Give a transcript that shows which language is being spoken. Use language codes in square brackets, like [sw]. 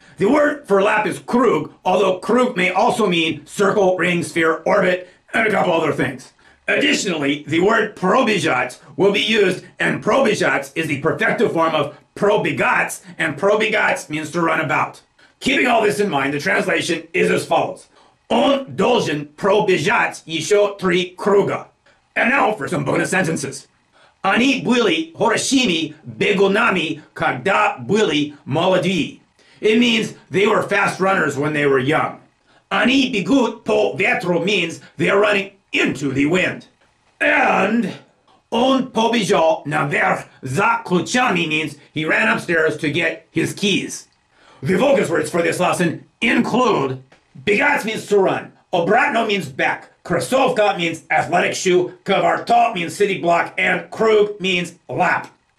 [en] The word for lap is круг, although круг may also mean circle, ring, sphere, orbit, and a couple other things. Additionally, the word пробежать will be used, and пробежать is the perfective form of пробегать, and пробегать means to run about. Keeping all this in mind, the translation is as follows. [ru] Он должен пробежать еще три круга. [en] And now for some bonus sentences. [ru] Они были хорошими бегунами, когда были молоди. [en] It means they were fast runners when they were young. [ru] Они бегут по ветру [en] means they are running into the wind. And [ru] он побежал наверх за ключами [en] means he ran upstairs to get his keys. The focus words for this lesson include бегать means to run, обратно means back, кроссовка means athletic shoe, квартал means city block, and круг means lap.